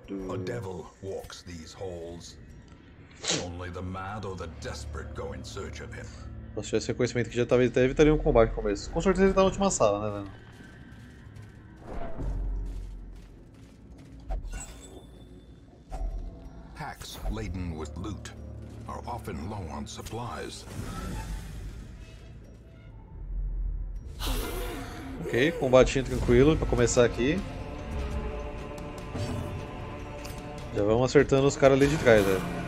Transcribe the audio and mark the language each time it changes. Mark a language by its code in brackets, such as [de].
[en] A devil walks these halls. Only the mad or the desperate go in search of him. [pt] Se tivesse reconhecimento que já talvez até evitaria um combate no começo. Com certeza ele tá na última sala, né, velho? [en] Packs laden with loot are often low on supplies. [pt] Ok, combatinho tranquilo pra começar aqui. Já vamos acertando os caras ali de trás, velho.